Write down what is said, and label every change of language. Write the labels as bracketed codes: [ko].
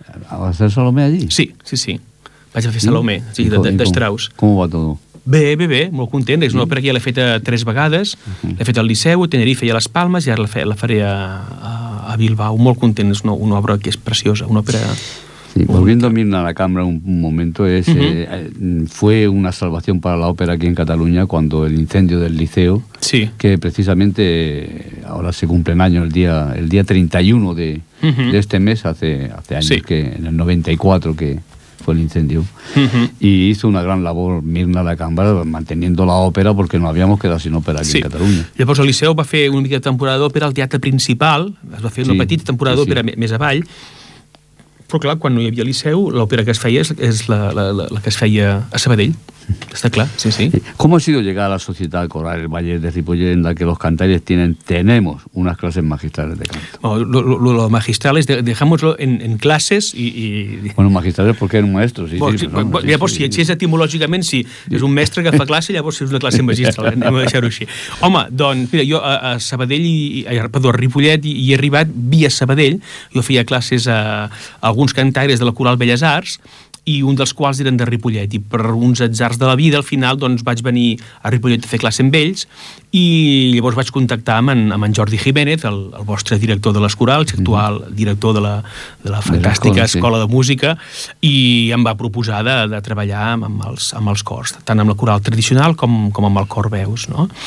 [ca] Vas a fer Salomé allí? Sí, sí, sí. Vaig a fer Salomé, sí, de Strauss. Com va todo? Bé, molt content. És una òpera que ja l'he feta 3 vegades. L'he feta al Liceu, a Tenerife i a Les Palmes, i ara la faré a Bilbao. Molt content. És una obra que és preciosa, una òpera... [es] Sí, volviendo a Mirna a la Cambra un momento, fue una salvación para la ópera aquí en Cataluña cuando el incendio del Liceo, sí, que precisamente ahora se cumple un año, el día 31 de este mes, hace años, sí, que en el 94 que... fue el incendio, y hizo una gran labor Mirna la Cambra manteniendo la ópera, porque no habíamos quedado sin ópera aquí, sí, en Cataluña. [ca] Llavors el Liceu va fer una mica de temporada d'òpera al teatre principal, es va fer una, sí, petita temporada, sí, d'òpera, sí, més avall, però clar, quan no hi havia Liceu, l'òpera que es feia és la que es feia a Sabadell, està clar, sí, sí. [es] ¿Cómo ha sido llegar a la Sociedad Coral del Valle de Ripollet, en la que los cantares tenemos unas clases magistrales de canto? Bueno, lo magistrales, dejámoslo en clases y... Bueno, magistrales porque eres un maestro, sí, bueno, sí. [ca] Llavors, si és etimològicament, sí, és un mestre que fa classe, llavors és una classe magistral, anem a deixar-ho així. Home, doncs, mira, jo a Sabadell, a Ripollet, hi he arribat via Sabadell, jo feia classes a alguns cantares de la Coral Belles Arts, i un dels quals eren de Ripollet, i per uns atzars de la vida, al final, doncs, vaig venir a Ripollet a fer classe amb ells, i llavors vaig contactar amb en Jordi Jiménez, el vostre director de les corals, actual director de la fantàstica Escola de Música, i em va proposar de treballar amb els cors, tant amb la coral tradicional com amb el cor Veus, no?